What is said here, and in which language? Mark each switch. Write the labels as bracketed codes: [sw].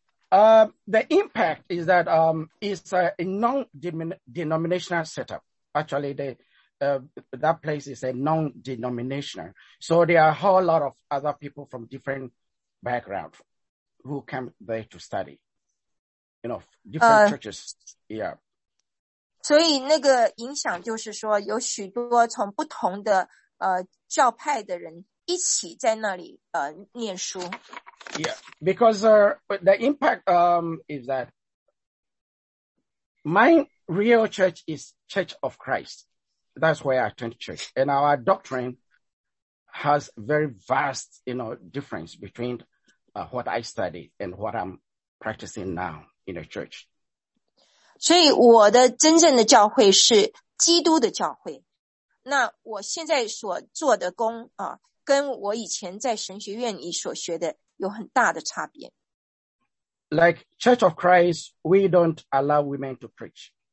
[en] The impact is that, it's a non-denominational setup. Actually, that place is a non-denominational. So there are a whole lot of other people from different backgrounds who come there to study. You know, different churches. Yeah. [zh] 所以那个影响就是说有许多从不同的教派的人一起在那里念书。 [en] Yeah, because the impact is that my real church is Church of Christ. That's where I attend church. And our doctrine has very vast, you know, difference between what I study and what I'm practicing now in a church. [zh] 所以我的真正的教会是基督的教会。那我现在所做的工啊，跟我以前在神学院里所学的有很大的差别。 [en] Like Church of Christ, we don't allow women to preach.